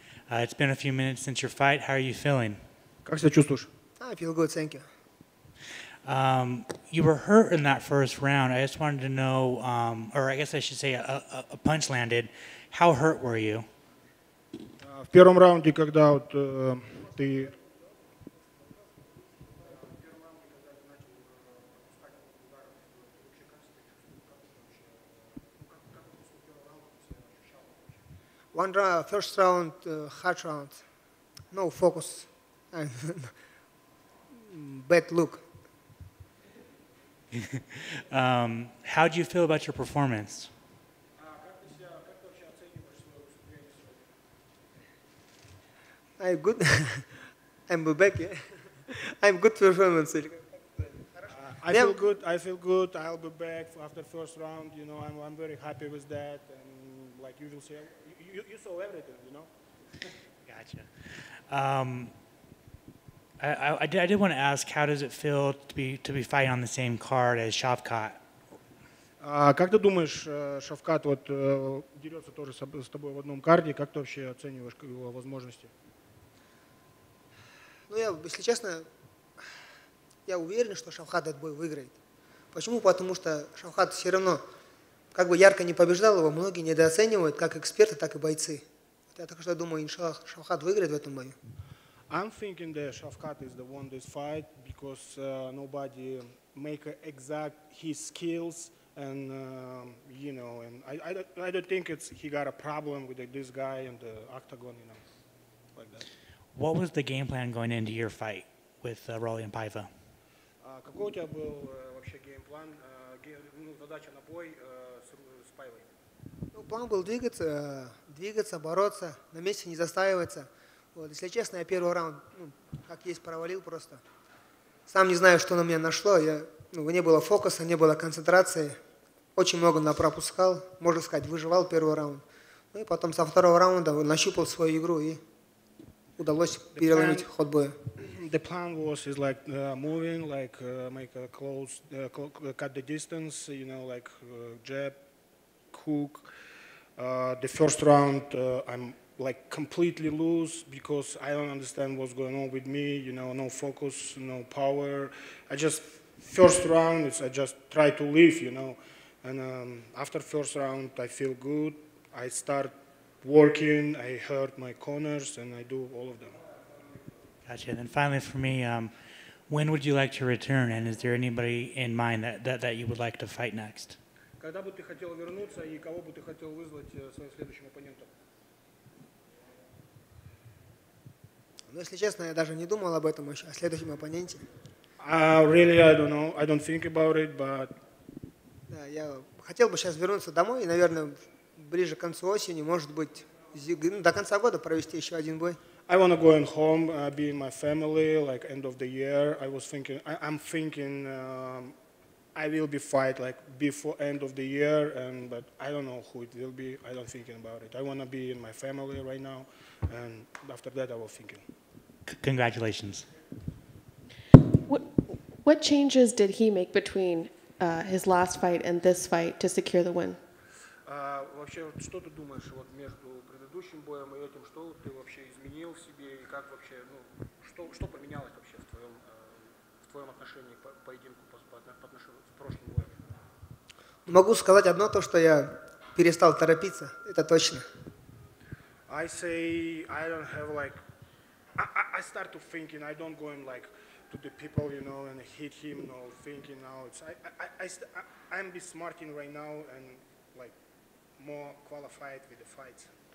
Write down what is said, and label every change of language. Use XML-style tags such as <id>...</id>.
<en>It's been a few minutes since your fight. How are you feeling?</en> <ru>Как себя чувствуешь?</ru> <en>I feel good, thank you. You were hurt in that first round. I just wanted to know, or I guess I should say a punch landed. How hurt were you?</en> <ru>В первом раунде, когда вот ты...</ru> <en>One round, first round, hard round, no focus, and bad look. How do you feel about your performance? I'm good. I'm back. Yeah? I'm good performance. I feel good. I'll be back after first round. You know, I'm very happy with that. And like usual, you saw everything, you know? Gotcha. I did want to ask, how does it feel to be fighting on the same card as Shavkat?</en> <ru>Как ты думаешь, Шавкат вот дерется тоже с тобой в одном карде? Как ты вообще оцениваешь его возможности? Ну, я, если честно, я уверен, что Шавкат этот бой выиграет. Почему? Потому что Шавкат все равно, как бы ярко не побеждал его, многие недооценивают, как эксперты, так и бойцы. Вот я так что думаю, иншаллах, Шавкат выиграет в этом бою.</ru> <en>I'm thinking that Shavkat is the one this fight because nobody make exact his skills and you know, and I don't think it's he got a problem with this guy in the octagon, you know, like that. What was the game plan going into your fight with Raulian Paiva?</en> <ru>Какой у тебя был вообще game plan, задача на бой с Paiva? Ну, план был двигаться, бороться, на месте не застаиваться. Вот, если честно, я первый раунд, ну, как есть, провалил просто. Сам не знаю, что на меня нашло. Не было фокуса, не было концентрации. Очень много напропускал. Можно сказать, выживал первый раунд. Ну и потом со второго раунда нащупал свою игру и удалось переломить ход боя.</ru> <en>The plan was is like moving, like make a close, cut the distance, you know, like jab, hook. The first round I'm like completely loose because I don't understand what's going on with me, you know, no focus, no power. I just, first round, I just try to live, you know. And after first round, I feel good. I start working, I hurt my corners, and I do all of them. Gotcha. And then finally for me, when would you like to return, and is there anybody in mind that you would like to fight next?</en> <ru>Когда бы ты хотел вернуться, и кого бы ты хотел вызвать своим следующим оппонентом? Ну, если честно, я даже не думал об этом еще, о следующем оппоненте.</ru> <en>Really, I don't know. I don't think about it, but...</en> <ru>Да, я хотел бы сейчас вернуться домой и, наверное, ближе к концу осени, может быть, до конца года провести еще один бой.</ru> <en>I want to go home, be in my family, like end of the year. I'm thinking I will be fight like before end of the year, but I don't know who it will be. I don't think about it. I want to be in my family right now, and after that I will think. Congratulations. What changes did he make between his last fight and this fight to secure the win?</en> <ru>Вообще, что ты думаешь вот между предыдущим боем и этим, что ты вообще изменил в себе и как вообще, ну, что поменялось вообще в твоем отношении к поединку по отношению к прошлым боям? Могу сказать одно, то, что я перестал торопиться, это точно.</ru> <en>I say I don't have like I start to thinking, I don't go in like to the people, you know, and hit him, no thinking now. I'm be smart in right now and like more qualified with the fight.</en>